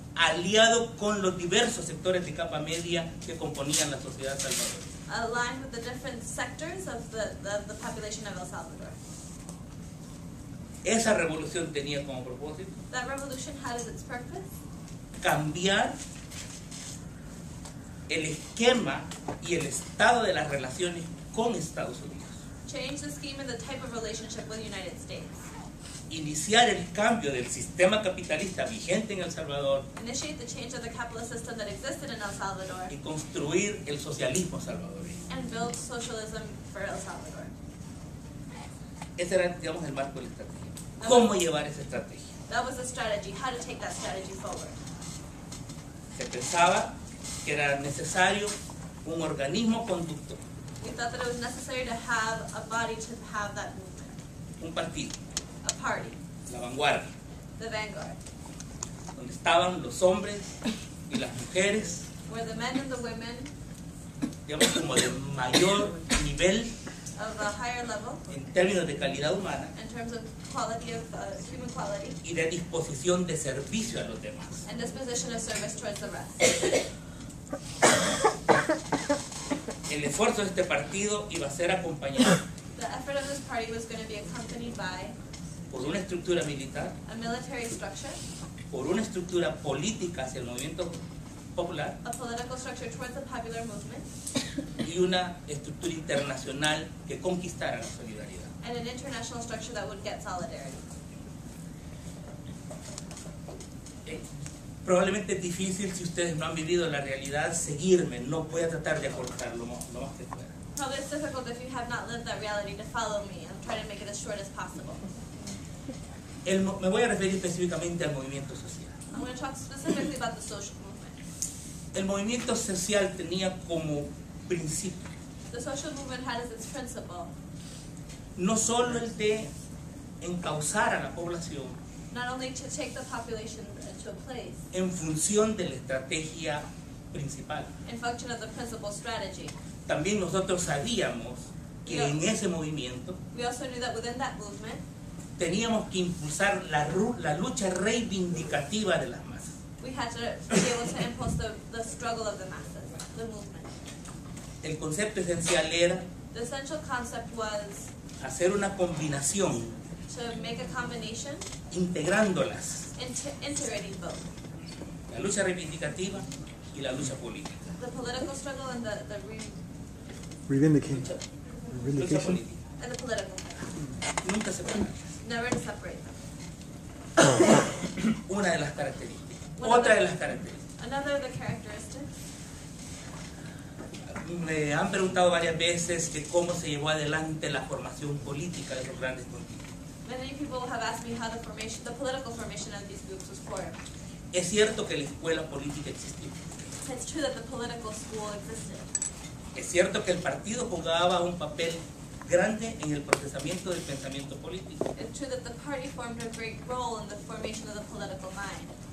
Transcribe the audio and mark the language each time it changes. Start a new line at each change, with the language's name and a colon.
Spanish: aliado con los diversos sectores de capa media que componían la sociedad salvadoreña,
English: aligned with the different sectors of the population of El Salvador.
Spanish: Esa revolución tenía como propósito,
English: that revolution had as its purpose,
Spanish: cambiar el esquema y el estado de las relaciones con Estados Unidos,
English: change the scheme and the type of relationship with the United States,
Spanish: iniciar el cambio del sistema capitalista vigente en El Salvador,
English: initiate the change of the capitalist system that existed in El Salvador,
Spanish: y construir el socialismo salvadoreño,
English: and build socialism for El Salvador.
Spanish: Ese era, digamos, el marco de la estrategia. ¿Cómo llevar esa estrategia?
English: That was the strategy, how to take that strategy forward.
Spanish: Se pensaba que era necesario un organismo conductor.
English: We thought that it was necessary to have a body to have that movement.
Spanish: Un partido.
English: A party.
Spanish: La vanguardia.
English: The vanguard.
Spanish: Donde estaban los hombres y las mujeres.
English: Where the men and the women.
Spanish: Digamos como de mayor nivel.
English: Of a higher level.
Spanish: En términos de calidad humana.
English: In terms of quality of human quality,
Spanish: y de disposición de servicio a los demás,
English: and disposition of service towards the rest.
Spanish: El esfuerzo de este partido iba a ser acompañado,
English: the effort of this party was going to be accompanied by,
Spanish: por una estructura militar,
English: a military structure,
Spanish: por una estructura política hacia el movimiento popular,
English: a political structure towards the popular movement,
Spanish: y una estructura internacional que conquistara la solidaridad,
English: and an international structure that would get solidarity.
Spanish: Probablemente es difícil, si ustedes no han vivido la realidad, seguirme. No voy a tratar de aportar lo más que pueda.
English: Probably it's difficult if you have not lived that reality to follow me. I'm trying to make it as short as possible.
Spanish: Me voy a referir específicamente al movimiento social.
English: I'm going to talk specifically about the social movement.
Spanish: El movimiento social tenía como principio,
English: the social movement had as its principle,
Spanish: no solo el de encauzar a la población,
English: not only to take the population to a place.
Spanish: En función de la estrategia principal.
English: In function of the principal strategy.
Spanish: También nosotros sabíamos que en ese movimiento.
English: We also knew that within that movement.
Spanish: Teníamos que impulsar la lucha reivindicativa de las masas.
English: We had to be able to impulse the struggle of the masses, the movement.
Spanish: El concepto esencial era.
English: The essential concept was.
Spanish: Hacer una combinación.
English: To make a combination.
Spanish: Integrándolas.
English: Integrating both.
Spanish: La lucha reivindicativa y la lucha política.
English: The political struggle and the
Spanish: reivindicación.
English: And the political.
Spanish: Nunca separadas.
English: Never to separate them.
Spanish: Una de las características. Otra de las características.
English: Another of the characteristics.
Spanish: Me han preguntado varias veces que cómo se llevó adelante la formación política de los grandes contingentes.
English: Many people have asked me how the political formation of these groups was formed.
Spanish: Es cierto que la escuela política existió.
English: It's true that the political school existed.
Spanish: Es cierto que el partido jugaba un papel grande en el procesamiento del pensamiento político.
English: It's true that the party formed a great role in the formation of the political mind.